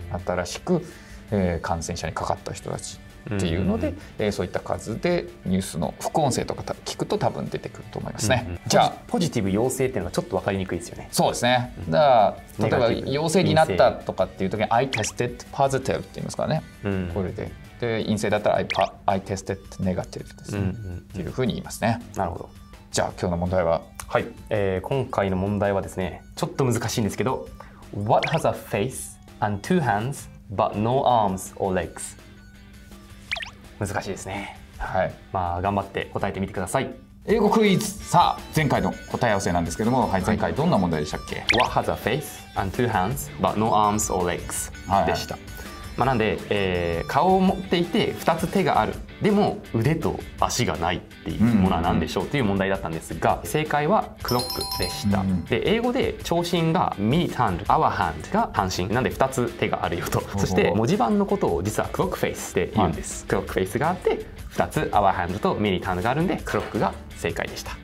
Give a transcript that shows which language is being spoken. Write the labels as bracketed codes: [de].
[ja] はい、新しく、感染者にかかった人たちっていうので、うんうん、そういった数でニュースの副音声とか聞くと多分出てくると思いますね、うんうん、じゃあポジティブ陽性っていうのはちょっと分かりにくいですよね。そうですね、だから、うん、例えば陽性になったとかっていう時に [en] I tested positive [ja] って言いますからね、うん、これで陰性だったら [en] I tested negative [ja] ですね、うんうんうん、っていう風に言いますね。なるほど。じゃあ今日の問題は、はい、今回の問題はですね、ちょっと難しいんですけど、 [en] What has a face and two hands but no arms or legs? [ja] 難しいですね、はい、まあ、頑張って答えてみてください。英語クイズ、さあ前回の答え合わせなんですけども、はい、前回どんな問題でしたっけ、はい、 [en] What has a face and two hands but no arms or legs、 [ja] はい、でした。まあ、なんで、顔を持っていて2つ手がある、でも腕と足がないっていうものは何でしょうっていう問題だったんですが、正解はクロックでした。で英語で長身が Minute Hand Our Hand が半身なんで2つ手があるよと。そして文字盤のことを実はクロックフェイスって言うんです。クロックフェイスがあって2つ Our Hand と Minute Hand があるんでクロックが正解でした。